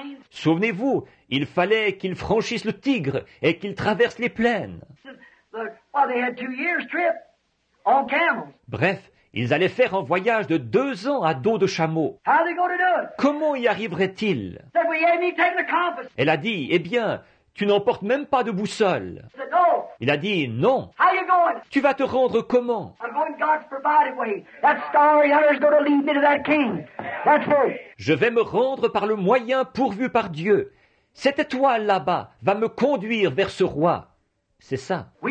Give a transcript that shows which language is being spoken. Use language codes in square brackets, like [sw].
[fr] Souvenez-vous, il fallait qu'ils franchissent le Tigre et qu'ils traversent les plaines. [en] They had 2 years trip on camels. [fr] Bref, ils allaient faire un voyage de 2 ans à dos de chameau. [en] How are they going to do it? [fr] Comment y arriveraient-ils? [en] Said, well, you ain't even taking a compass. [fr] Elle a dit, eh bien, tu n'emportes même pas de boussole. [en] Said, no. [fr] Il a dit, non. [en] How are you going? [fr] Tu vas te rendre comment? [en] I'm going God's provided way. That starry hunter is going to lead me to that king. That's right. [fr] Je vais me rendre par le moyen pourvu par Dieu. Cette étoile là-bas va me conduire vers ce roi. C'est ça.